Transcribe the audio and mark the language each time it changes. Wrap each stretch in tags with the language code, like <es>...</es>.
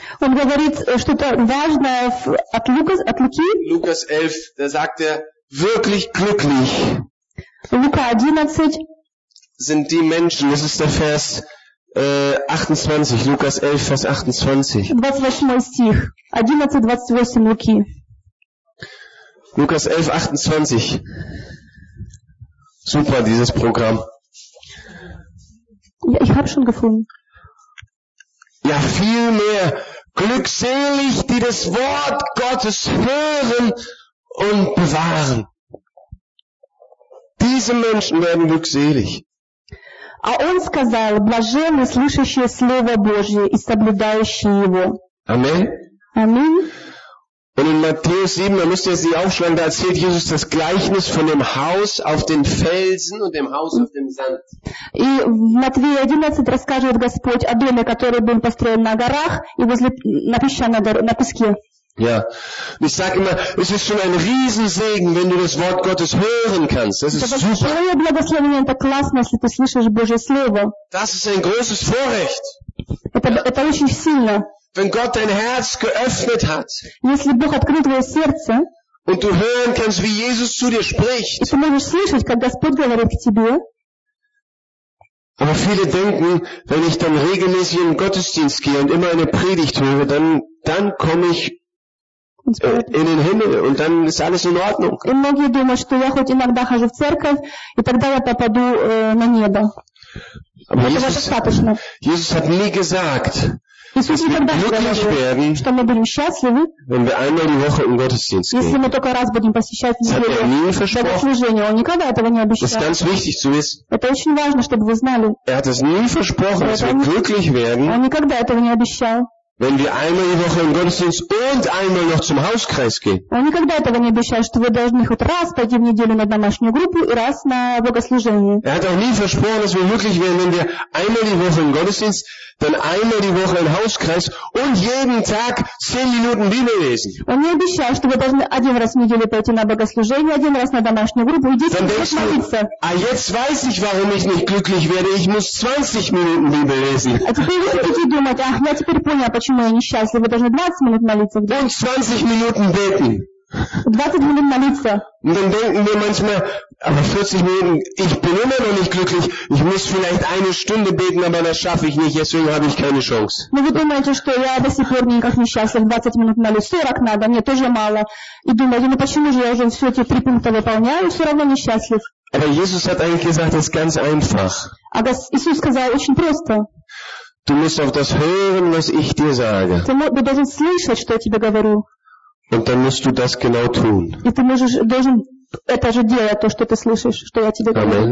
<ru>Он говорит что-то важное от Лукас, от Луки.</ru> <de>Lukas 11, da sagt er, wirklich glücklich Luca 11. sind die Menschen, das ist der Vers 28, Lukas 11, Vers</de> <ru>28. 28 Луки.</ru> <de>Lukas 11, 28. Super, dieses Programm. Ja, ich habe schon gefunden. Ja, vielmehr glückselig, die das Wort Gottes hören und bewahren. Diese Menschen werden glückselig.</de> <ru>А он сказал, блаженны слышащие Слово Божье и соблюдающие его. Аминь. Аминь.</ru> <de>Und in Matthäus 7, da müsst ihr jetzt nicht aufschlagen, da erzählt Jesus das Gleichnis von dem Haus auf dem Felsen und dem Haus auf dem Sand.</de> <ru>И в Матвея 11 рассказывает Господь о доме, который был построен на горах и возле на песке.</ru> <de>Ja, und ich sage immer, es ist schon ein Riesensegen, wenn du das Wort Gottes hören kannst. Das ist super. Das ist ein großes Vorrecht.</de> <ru>Это очень сильно.</ru> <de>Wenn Gott dein Herz geöffnet hat,</de> <ru>если Бог открыл твое сердце,</ru> <de>und du hören kannst, wie Jesus zu dir spricht,</de> <ru>и ты можешь слышать, как Господь говорит к тебе.</ru> <de>Aber viele denken, wenn ich dann regelmäßig in den Gottesdienst gehe und immer eine Predigt höre, dann komme ich in den Himmel und dann ist alles in Ordnung.</de> <ru>И многие думают, что я хоть иногда хожу в церковь, и тогда я попаду на небо.</ru> <de>Aber Jesus hat nie gesagt,</de> <ru>Иисус никогда не говорил, что мы будем счастливы, если мы только раз будем посещать неделю богослужение. Он никогда этого не обещал. Это очень важно, чтобы вы знали. Он никогда этого не обещал.</ru> <de>Wenn wir einmal die Woche im Gottesdienst und einmal noch zum Hauskreis gehen.</de> <ru>Он никогда этого не обещал, что вы должны хоть раз пойти в неделю на домашнюю группу и раз на богослужение.</ru> <de>Er hat auch nie versprochen, dass wir glücklich werden, wenn wir einmal die Woche im Gottesdienst, dann einmal die Woche im Hauskreis und jeden Tag 10 Minuten Bibel lesen.</de> <ru>Он не обещал, что вы должны один раз в неделю пойти на богослужение, один раз на домашнюю группу и 10 минут молиться. А</ru> <de>jetzt weiß ich, warum ich nicht glücklich werde. Ich muss 20 Minuten Bibel lesen.</de> <ru>А теперь вы хотите думать, ах, я теперь понял, почему я несчастлив? Вы должны 20 минут молиться. Да?</ru> <de>Und 20 Minuten beten.</de> <ru>20 минут молиться.</ru> <de>Und dann denken wir manchmal, aber 40 Minuten, ich bin immer noch nicht glücklich, ich muss vielleicht eine Stunde beten, aber das schaffe ich nicht, deswegen habe ich keine Chance.</de> <ru>Но вы думаете, что я до сих пор никак не счастлив, 20 минут молюсь, 40 надо, мне тоже мало. И думаете, ну почему же я уже все эти три пункта выполняю, все равно несчастлив.</ru> <de>Aber Jesus hat eigentlich gesagt, das ist ganz einfach.</de> <ru>А Иисус сказал, очень просто.</ru> <de>Du musst auf das hören, was ich dir sage.</de> <ru>Ты должен слышать, что я тебе говорю.</ru> <de>Und dann musst du das genau tun.</de> <ru>И ты должен это же делать, то, что ты слышишь, что я тебе говорю.</ru>